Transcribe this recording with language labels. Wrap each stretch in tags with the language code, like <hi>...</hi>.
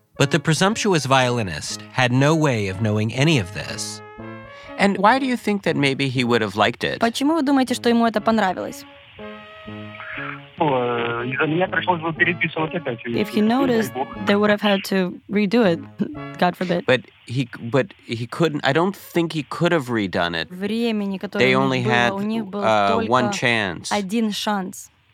<en>But the presumptuous violinist had no way of knowing any of this. And why do you think that maybe he would have liked it?</en> <ru>Почему вы думаете, что ему это понравилось?</ru> <en>If he noticed, they would have had to redo it, God forbid. But he couldn't, I don't think he could have redone it. They only had one chance.</en> <ru>Один шанс.</ru>